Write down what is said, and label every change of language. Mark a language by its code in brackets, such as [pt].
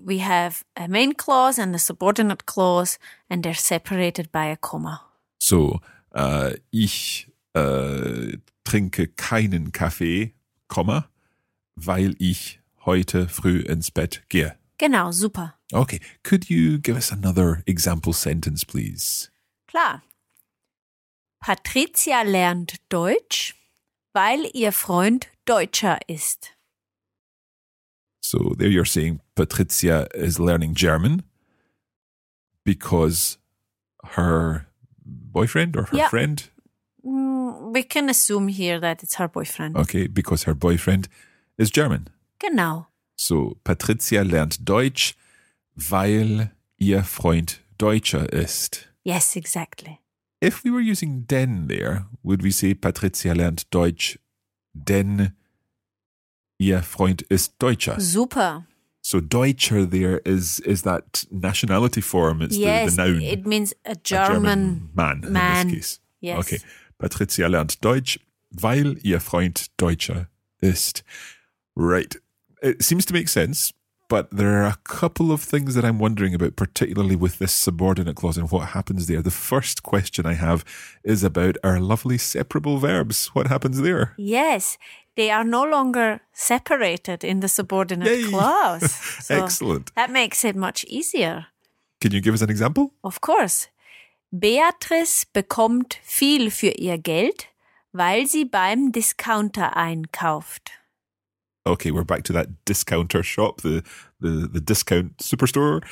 [en] We have a main clause and a subordinate clause, and they're separated by a comma. [de] So, ich trinke keinen Kaffee, comma, weil ich heute früh ins Bett gehe. Genau, super. [en] Okay, could you give us another example sentence, please? [de] Klar. Patricia lernt Deutsch, weil ihr Freund Deutscher ist. [en] So there you're saying Patricia is learning German because her boyfriend or her friend? We can assume here that it's her boyfriend. Okay, because her boyfriend is German. [de] Genau. So Patricia lernt Deutsch, weil ihr Freund Deutscher ist. [en] Yes, exactly. If we were using denn there, would we say [de] Patricia lernt Deutsch, denn ihr Freund ist Deutscher? [en] Super. So Deutscher there is that nationality form. It's the noun. Yes, it means a German man in this case. Yes. Okay. [de] Patricia lernt Deutsch, weil ihr Freund Deutscher ist. [en] Right. It seems to make sense. But there are a couple of things that I'm wondering about, particularly with this subordinate clause and what happens there. The first question I have is about our lovely separable verbs. What happens there? Yes, they are no longer separated in the subordinate clause. So excellent. That makes it much easier. Can you give us an example? Of course. [de] Beatrice bekommt viel für ihr Geld, weil sie beim Discounter einkauft. [en] Okay, we're back to that discounter shop, the discount superstore.